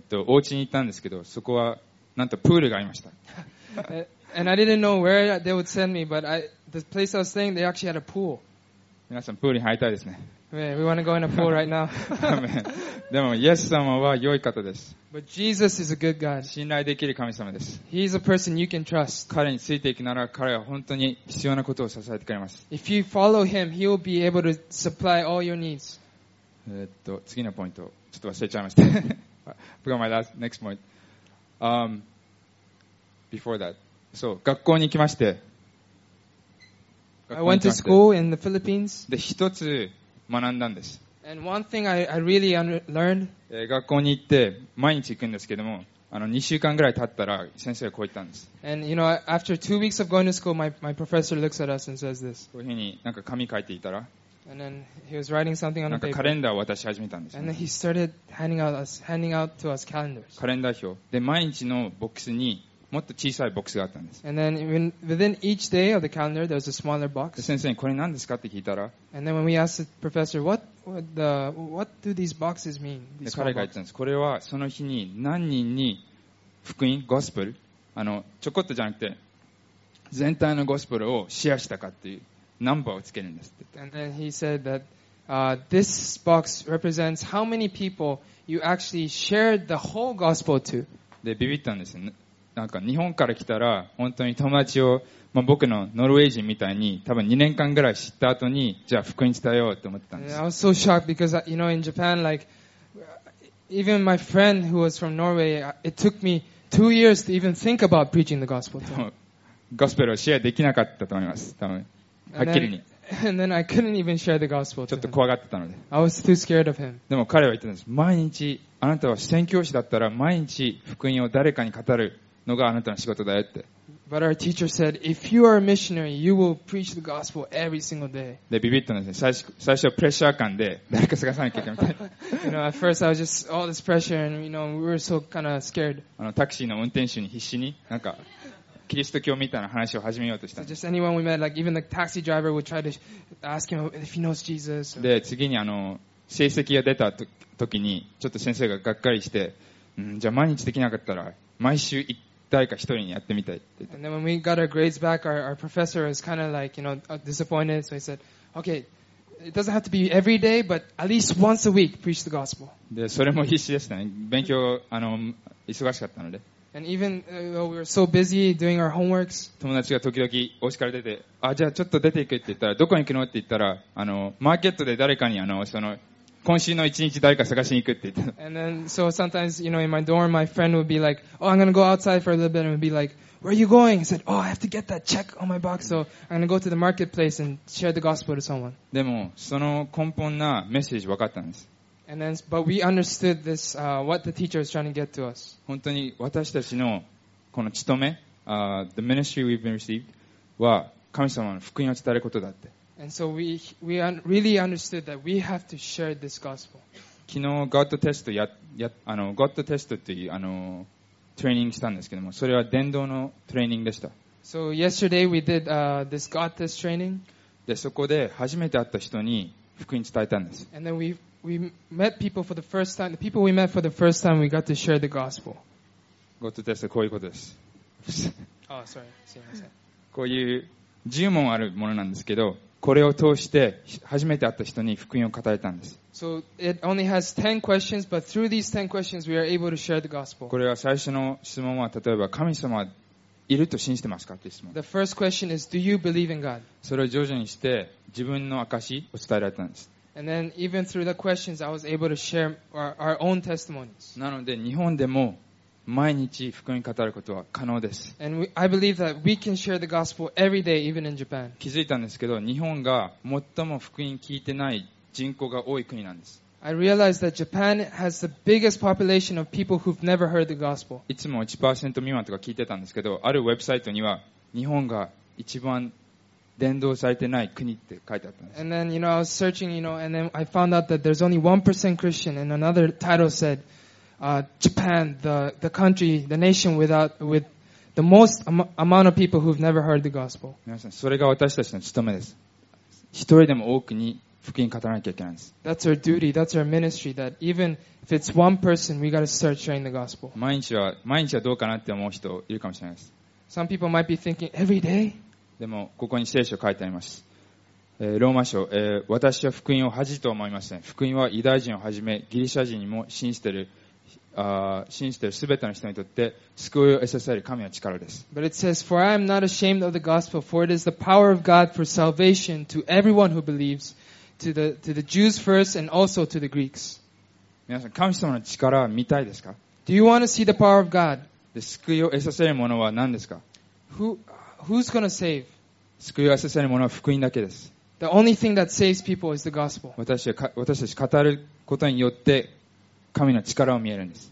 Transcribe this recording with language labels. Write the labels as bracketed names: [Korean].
[Japanese] お家に行ったんですけど、そこはなんとプールがありました。 [English] And I didn't know where they would send me, but the place I was staying, they actually had a pool. [Japanese] 皆さんプールに入りたいですね。 [English] Man, we want to go in a pool right now. [Japanese] でもイエス様は良い方です。 [English] But Jesus is a good God. [Japanese] 信頼できる神様です。 [English] He's a person you can trust. [Japanese] 彼についていくなら彼は本当に必要なことを支えてくれます。 [English] If you follow him, he will be able to supply all your needs. [Japanese] 次のポイント。ちょっと忘れちゃいました。 [English] I've got my last, next point. Before that. [Japanese] So, 学校に行きまして。 [English] I went to school in the Philippines. [Japanese] で、一つ学んだんです。 [English] And one thing I really learned. [Japanese] 学校に行って毎日行くんですけども、2週間ぐらい経ったら先生がこう言ったんです。 [English] And you know, after two weeks of going to school, my professor looks at us and says this. [Japanese] こういうふうに何か紙書いていたら、 [English] And then he was writing something on the paper. [Japanese] なんかカレンダーを渡し始めたんです。 [English] And then he started handing out to us calendars. [Japanese] カレンダー表。で毎日のボックスにもっと小さいボックスがあったんです。 [English] And then within each day of the calendar, there was a smaller box. [Japanese] 先生にこれ何ですかって聞いたら、 [English] And then when we asked the professor, what do these boxes mean? [Japanese] で、彼が言ったんです。これはその日に何人に福音、ゴスペル、ちょこっとじゃなくて、全体のゴスペルをシェアしたかっていうナンバーをつけるんですって。 [English] And then he said that, this box represents how many people you actually shared the whole gospel to. [Japanese] で、ビビったんですよ。なんか日本から来たら本当に友達を、まあ、僕のノルウェー人みたいに多分2年間ぐらい知った後にじゃあ福音伝えようと思ってたんです。 [English] Yeah, I was so shocked because, you know, in Japan, like, even my friend who was from Norway, it took me 2 years to even think about preaching the gospel to him. [Japanese] ゴスペルをシェアできなかったと思います。多分、はっきりに。 [English] And then I couldn't even share the gospel to him. [Japanese] ちょっと怖がってたので。 [English] I was too scared of him. [Japanese] でも彼は言ってたんです。毎日、あなたは宣教師だったら毎日福音を誰かに語る。のがあなたの仕事だよって。 [English] But our teacher said, if you are a missionary, you will preach the gospel every single day. [Japanese] で、ビビったんですね。最初はプレッシャー感で、誰か探さなきゃいけないみたいな。 [English] You know, at first I was just all this pressure and, you know, we were so kind of scared. [Japanese] タクシーの運転手に必死に、なんか、キリスト教みたいな話を始めようとした。 [English] So、just anyone we met, like even the taxi driver would try to ask him if he knows Jesus. [Japanese] で、次に成績が出た時に、ちょっと先生ががっかりして、んじゃあ毎日できなかったら、毎週一誰か一人にやってみたいって言った。 [English] And then when we got our grades back, our professor was kind of like, you know, disappointed. So he said, okay, it doesn't have to be every day, but at least once a week, preach the gospel. [Japanese] で、それも必死でしたね。勉強、忙しかったので。 [English] And even though we were so busy doing our homeworks, [Japanese] 友達が時々お叱り出て、あ、じゃあちょっと出ていくって言ったら、どこに行くのって言ったら、マーケットで誰かに、今週の一日誰か探しに行くって言った。 [English] And then, so sometimes, you know, in my dorm, my friend would be like, oh, I'm gonna go outside for a little bit and would be like, where are you going? I said, oh, I have to get that check on my box, so I'm gonna go to the marketplace and share the gospel to someone. [Japanese] でも、その根本なメッセージ分かったんです。 [English] And then, but we understood this, what the teacher was trying to get to us. [Japanese] 本当に私たちのこの勤め、 [English] the ministry we've been received [Japanese] は神様の福音を伝えることだって。 [English] And so we really understood that we have to share this gospel. [Japanese] 昨日 God test God test というtraining したんですけども、それは伝道のトレーニングでした。 [English] So yesterday we did this God test training. [Japanese] で、そこで初めて会った人に福音伝えたんです。 [English] And then we met people for the first time. The people we met for the first time, we got to share the gospel. [Japanese] God test こういうことです。 [English] Oh, sorry. [Japanese] すいません。こういう10問あるものなんですけど、これを通して初めて会った人に福音を語れたんです。 [English] So it only has 10 questions, but through these 10 questions, we are able to share the gospel. [Japanese] これは最初の質問は、例えば、神様はいると信じてますかって質問。 [English] The first question is, do you believe in God? [Japanese] それを徐々にして、自分の証を伝えられたんです。 [English] And then, even through the questions, I was able to share our own testimonies. [Japanese] なので、日本でも、毎日福音語ることは可能です。 [English] And I believe that we can share the gospel every day, even in Japan. [Japanese] 気づいたんですけど、日本が最も福音聞いてない人口が多い国なんです。 [English] I realized that Japan has the biggest population of people who've never heard the gospel. [Japanese] いつも 1% 未満とか聞いてたんですけど、あるウェブサイトには日本が一番伝道されてない国って書いてあったんです。 [English] And then, you know, I was searching, you know, and then I found out that there's only 1% Christian, and another title said,Japan, the country, the nation with the most amount of people who've never heard the gospel. [Japanese] 皆さん、それが私たちの務めです。一人でも多くに福音語らなきゃいけないんです。 [English] That's our duty, that's our ministry, that even if it's one person, we gotta start sharing the gospel. [Japanese] 毎日はどうかなって思う人いるかもしれないです。 [English] Some people might be thinking, every day? [Japanese] でも、ここに聖書書いてあります。ローマ書、私は福音を恥と思いません。福音はユダヤ人をはじめ、ギリシャ人にも信じている。信じている全ての人にとって救いを得させる神の力です。 [English] But it says, for I am not ashamed of the gospel, for it is the power of God for salvation to everyone who believes, to the Jews first and also to the Greeks. [Japanese] 皆さん、神様の力は見たいですか? [English] Do you want to see the power of God? [Japanese] で、救いを得させるものは何ですか? [English] Who's going to save? [Japanese] 救いを得させるものは福音だけです。 [English] The only thing that saves people is the gospel. [Japanese] 私たち語ることによって神の力を見えるんです。